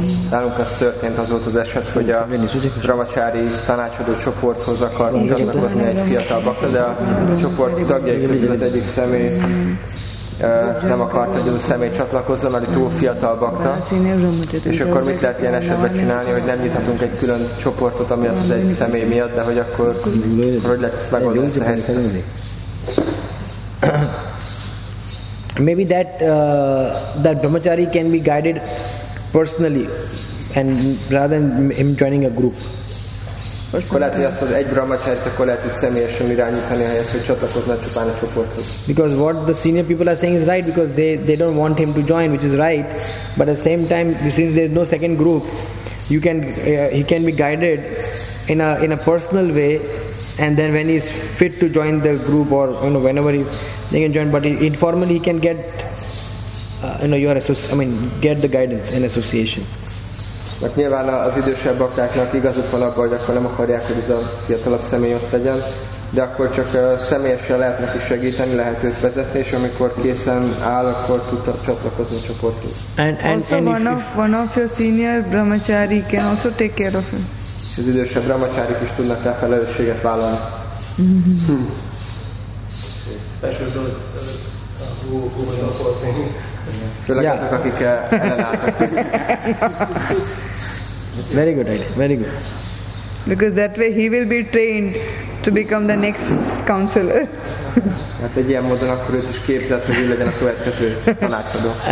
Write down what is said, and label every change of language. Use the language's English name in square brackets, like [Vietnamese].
[Hungarian] Nálunk az történt, az volt az eset, hogy a Brahmacari tanácsadó csoporthoz akarunk csatlakozni egy fiatal bakta, de a csoport tagjai közül az egyik személy nem akart, hogy az a személy csatlakozzon, mert túl fiatal bakta. És akkor mit lehet ilyen esetben csinálni, hogy nem nyithatunk egy külön csoportot, ami az egy személy miatt, de hogy akkor hogy lehet ezt megoldani? [English] Maybe that that Brahmachari can be guided personally, and rather than him joining a group. Because what the senior people are saying is right, because they don't want him to join, which is right. But at the same time, since there is no second group, you can he can be guided in a personal way. And then when he is fit to join the group, or you know, whenever he can join, but informally he can get your get the guidance in association. [Hungarian] Mert nyilván az idősebb baktáknak igazuk van abban, hogy akkor nem akarják, hogy ez a fiatalabb személy ott legyen, de akkor csak személyesen lehet neki segíteni, lehet őt vezetni, és amikor készen áll, akkor tudta csatlakozni a csoporthoz. [English] And one of your senior brahmachari can also take care of him. [Hungarian] És az idősebb brahmacharik is tudnak rá felelősséget vállalni. Főleg azok, akik ellenálltak. [English] Very good idea, very good. Because that way he will be trained to become the next counselor. [Hungarian] Hát egy ilyen módon akkor őt is képzett, hogy ő legyen a következő tanácsadó.